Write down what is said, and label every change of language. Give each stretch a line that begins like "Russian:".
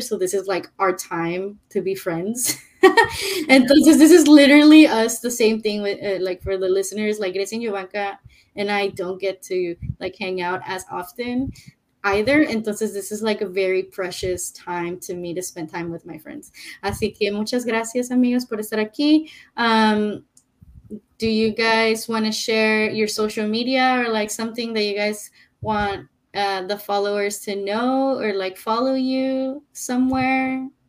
English: So this is like our time to be friends. And this is literally us, the same thing with like for the listeners, like Grecia and Jovanka and I don't get to like hang out as often either. Entonces, this is like a very precious time to me to spend time with my friends.
Spanish: Así que muchas gracias, amigos, por estar aquí.
English: Do you guys want to share your social media or like something that you guys want the followers to know or like follow you somewhere?